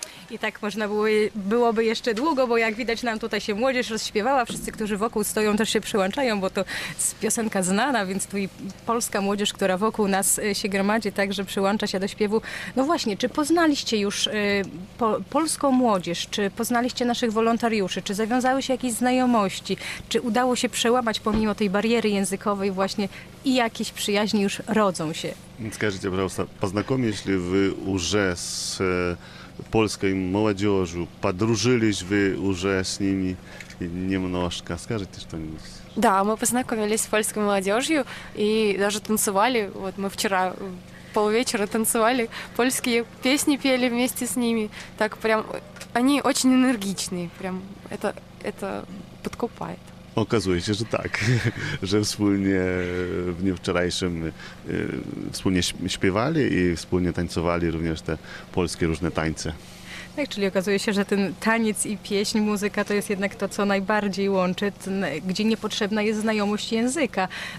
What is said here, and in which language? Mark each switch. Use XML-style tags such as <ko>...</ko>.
<pl>I tak można byłoby jeszcze długo, bo jak widać nam tutaj się młodzież rozśpiewała, wszyscy, którzy wokół stoją, też się przyłączają, bo to jest piosenka znana, więc tu i polska młodzież, która wokół nas się gromadzi, także przyłącza się do śpiewu. No właśnie, czy poznaliście już polską młodzież, czy poznaliście naszych wolontariuszy, czy zawiązały się jakieś znajomości, czy udało się przełamać pomimo tej bariery językowej właśnie i jakieś przyjaźnie już rodzą się?</pl> <ru>Скажите, пожалуйста, познакомились ли вы уже с польской молодежью? Подружились вы уже с ними немножко? Скажите что-нибудь. Да, мы познакомились с польской молодежью и даже танцевали. Вот мы вчера полвечера танцевали, польские песни пели вместе с ними. Так прям, они очень энергичные, прям это подкупает.</ru> <pl>Okazuje się, że tak, że wspólnie w dniu wczorajszym wspólnie śpiewali i wspólnie tańcowali również te polskie różne tańce. Tak, czyli okazuje się, że ten taniec i pieśń, muzyka to jest jednak to, co najbardziej łączy, gdzie niepotrzebna jest znajomość języka.</pl>